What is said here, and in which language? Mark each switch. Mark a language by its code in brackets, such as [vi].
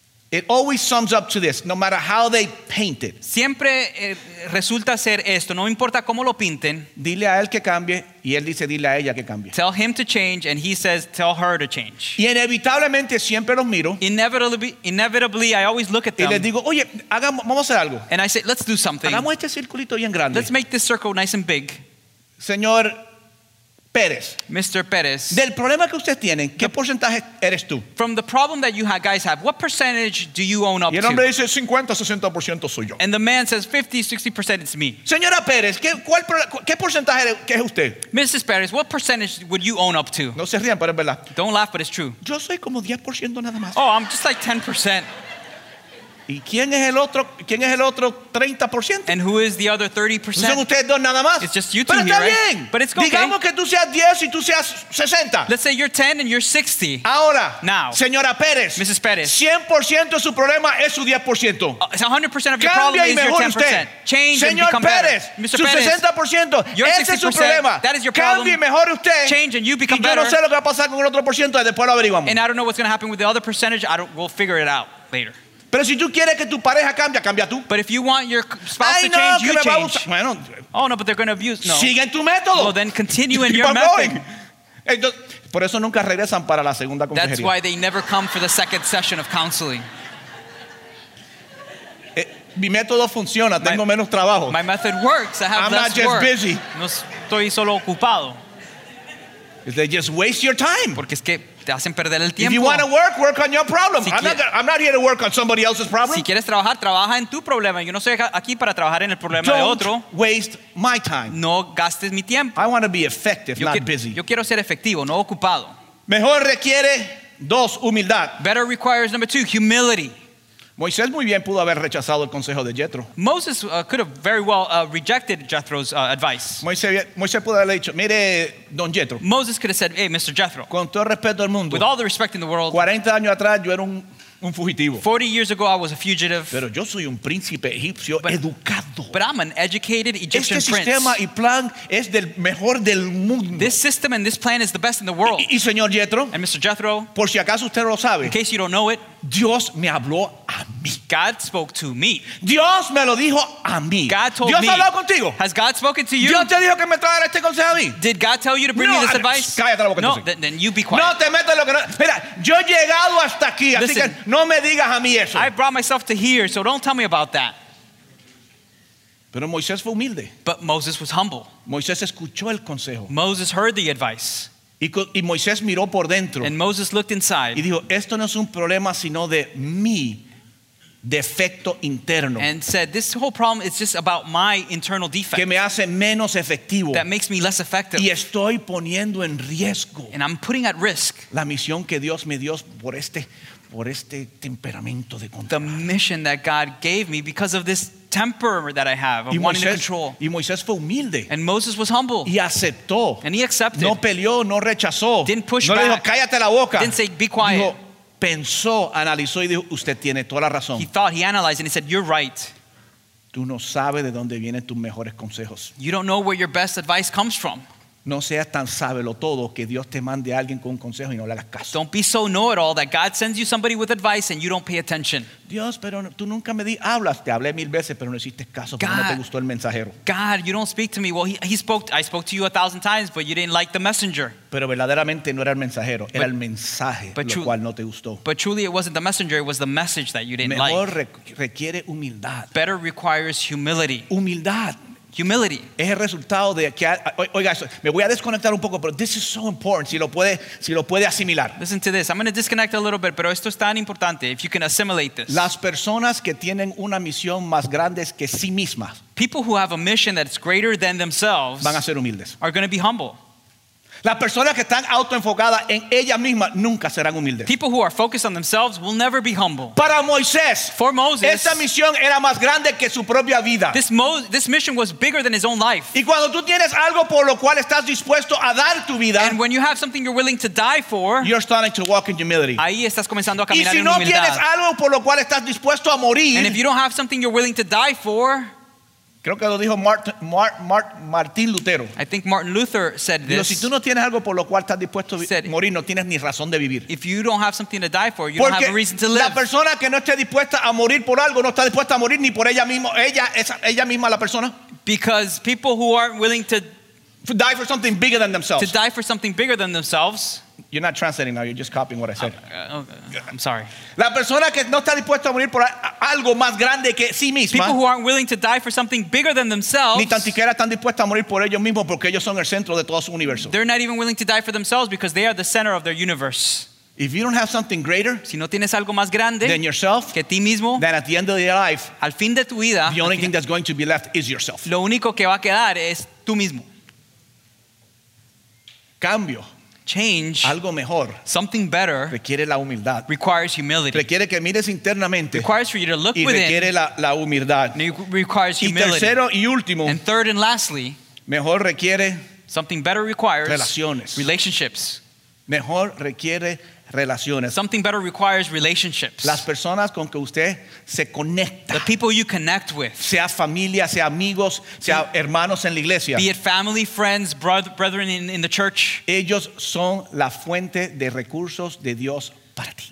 [en] it always sums up to this, no matter how they paint it. [es] Siempre resulta ser esto, no importa cómo lo pinten. Dile a él que cambie y él dice dile a ella que cambie. [en] Tell him to change and he says tell her to change. [es] Y inevitablemente siempre los miro. [en] Inevitably I always look at them. [es] Y les digo, "Oye, vamos a hacer algo." [en] And I say, "Let's do something." [es] Hagamos este circulito bien grande. [en] Let's make this circle nice and big. [es] Señor Pérez. [en] Mr. Pérez. [es] Del problema que ustedes tienen, ¿qué porcentaje eres tú? [en] From the problem that you guys have, what percentage do you own up to? [es] Y el hombre dice 50-60% soy yo. [en] And the man says 50-60% it's me. [es] Señora Pérez, ¿qué porcentaje que es usted? [en] Mrs. Pérez, what percentage would you own up to? [es] No se rían, pero es verdad. [en] Don't laugh, but it's true. [es] Yo soy como 10% nada más. [en] Oh, I'm just like 10%. [es] ¿Y quién es el otro 30%? [en] And who is the other 30%? [es] Son ustedes dos nada más. [en] It's just you two here, right? [es] Bien. [en] But it's okay. [es] Digamos que tú seas 10 y tú seas 60. [en] Let's say you're 10 and you're 60. [es] Ahora, [en] now, [es] señora Pérez. [en] Mrs. Pérez. [es] 100% de su problema es su 10%. [en] It's 100% of your problem is your 10%. [es] Usted. [en] Change [es] Señor [en] and become [es] Pérez, [en] better. [es] Mr. Pérez, su 60%, ese es su problema. [en] That is your problem. [es] Cambie, mejore usted. [en] Change and you become better. [es] Y yo no sé lo que va a pasar con el otro porciento, después lo averiguamos. [en] And I don't know what's going to happen with the other percentage. We'll figure it out later. [es] Pero si tú quieres que tu pareja cambie, cambia tú. [en] But if you want your spouse to change, you change. [es] Bueno, [en] oh no, but they're going to abuse. No. [es] Sigue en tu método. [en] Well, then continue in your method. [es] Entonces, por eso nunca regresan para la segunda consejería. [en] That's why they never come for the second session of counseling. [es] Mi método funciona. Tengo menos trabajo. [en] My method works. I have I'm less not just work. Busy. [es] No estoy solo ocupado. [en] They just waste your time. [es] Porque es que te hacen perder el tiempo. [en] If you want to work on your problem. I'm not here to work on somebody else's problem. [es] Si quieres trabajar, trabaja en tu problema. Yo no soy aquí para trabajar en el problema [en] Don't [es] de otro. [en] Waste my time. [es] No gastes mi tiempo. [en] I want to be effective, not busy. [es] Yo quiero ser efectivo, no ocupado. Mejor requiere dos, humildad. [en] Better requires number two, humility. [es] Moisés muy bien pudo haber rechazado el consejo de Jethro. [en] Moses could have very well rejected Jethro's advice. [es] Moisés pudo haber dicho, mire, don Jethro. [en] Moses could have said, hey, Mr. Jethro. [es] Con todo respeto al mundo. [en] With all the respect in the world. [es] 40 años atrás yo era un fugitivo. [en] 40 years ago I was a fugitive. [es] Pero yo soy un príncipe egipcio educado. [en] But I'm an educated Egyptian prince. [es] Este sistema y plan es del mejor del mundo. [en] This system and this plan is the best in the world. [es] Y señor Jethro. [en] And Mr. Jethro. [es] Por si acaso usted no lo sabe. [en] In case you don't know it. [es] Dios me habló a mí. [en] God spoke to me. [es] Dios me lo dijo a mí. [en] God told [es] Dios [en] me. [es] Dios habló contigo. [en] Has God spoken to you? [es] Dios te dijo que me trajera este consejo a mí. [en] Did God tell you to bring [es] no, [en] me this advice? [es] Cállate la boca. [en] No, then you be quiet. [es] No te metas lo que no. Mira, yo he llegado hasta aquí, [en] Listen, [es] así que no me digas a mí eso. [en] I brought myself to here, so don't tell me about that. [es] Pero Moisés fue humilde. [en] But Moses was humble. [es] Moisés escuchó el consejo. [en] Moses heard the advice. [es] Y Moisés miró por dentro. [en] And Moses looked inside. [es] Y dijo, esto no es un problema sino de mi defecto interno. [en] And said, this whole problem is just about my internal defect. [es] Que me hace menos efectivo. [en] That makes me less effective. [es] Y estoy poniendo en riesgo. [en] And I'm putting at risk. [es] La misión que Dios me dio por este temperamento de control. [en] The mission that God gave me because of this temper that I have of wanting to control. [es] Y Moisés fue humilde. [en] And Moses was humble. [es] Y aceptó. [en] And he accepted. [es] No peleó, no rechazó. [en] Didn't push [es] no [en] back. [es] Dijo, cállate la boca. [en] Didn't say, be quiet. [es] Dijo, pensó, analizó y dijo, usted tiene toda la razón. [en] He thought, he analyzed and he said, you're right. [es] Tú no sabes de dónde vienen tus mejores consejos. [en] You don't know where your best advice comes from. [es] No seas tan sábelo todo que Dios te mande a alguien con un consejo y no le hagas caso. [en] Don't be so know-it-all that God sends you somebody with advice and you don't pay attention. [es] Dios, pero tú nunca me hablas. Te hablé mil veces, pero no hiciste caso porque no te gustó el mensajero. [en] God, you don't speak to me. Well, I spoke to you 1,000 times, but you didn't like the messenger. [es] Pero verdaderamente no era el mensajero. Era el mensaje lo cual no te gustó. [en] But truly it wasn't the messenger. It was the message that you didn't like. [es] Mejor requiere humildad. [en] Better requires humility. [es] Humildad. [en] Humility. [es] Es el resultado de que oiga eso, me voy a desconectar un poco, pero [en] this is so important [es] si lo puede asimilar. [en] Listen to this. I'm going to disconnect a little bit, [es] pero esto es tan importante [en] if you can assimilate this. [es] Las personas que tienen una misión más grande que sí mismas. [en] People who have a mission that's greater than themselves [es] van a ser humildes. [en] Are going to be humble. [es] Las personas que están autoenfocadas en ellas mismas nunca serán humildes. [en] People who are focused on themselves will never be humble. [es] Para Moisés, [en] for Moses, [es] esa misión era más grande que su propia vida. [en] This mission was bigger than his own life. [es] Y cuando tú tienes algo por lo cual estás dispuesto a dar tu vida, [en] and when you have something you're willing to die for, you're starting to walk in humility. [es] Ahí estás comenzando a caminar en humildad. Y si no tienes algo por lo cual estás dispuesto a morir, [en] and if you don't have something you're willing to die for, [es] creo que lo dijo Martin Lutero. [en] I think Martin Luther said this. [es] Si tú no tienes algo por lo cual estás dispuesto a morir, no tienes ni razón de vivir. [en] If you don't have something to die for, you [es] Porque [en] don't have a reason to live. [es] La persona que no esté dispuesta a morir por algo no está dispuesta a morir ni por ella misma. Ella misma la persona. [en] Because people who aren't willing to die for something bigger than themselves. To die for something bigger than themselves. You're not translating now. You're just copying what I said. I'm sorry. [es] La persona que no está dispuesta a morir por algo más grande que sí misma. [en] People who aren't willing to die for something bigger than themselves. [es] Ni tan siquiera están dispuestas a morir por ellos mismos porque ellos son el centro de todo su universo. [en] They're not even willing to die for themselves because they are the center of their universe. If you don't have something greater, [es] si no tienes algo más grande [en] than yourself, [es] que ti mismo, [en] then at the end of your life, [es] al fin de tu vida, [en] the only thing that's going to be left is yourself. [es] Lo único que va a quedar es tú mismo. Cambio. [en] Change, [es] algo mejor, [en] something better, [es] requiere la humildad, [en] requires humility, [es] requiere que mires internamente, [en] requires for you to look [es] y [en] within, [es] requiere la humildad, [en] requires humility, [es] y tercero y último, [en] and third and lastly, [es] mejor requiere, [en] something better requires, [es] relaciones, [en] relationships, [es] mejor requiere relaciones, [en] something better requires relationships, [es] las personas con que usted se conecta, [en] the people you connect with, [es] sea familia, sea amigos, sea hermanos en la iglesia, [en] be it family, friends, brethren in the church, [es] ellos son la fuente de recursos de Dios para ti,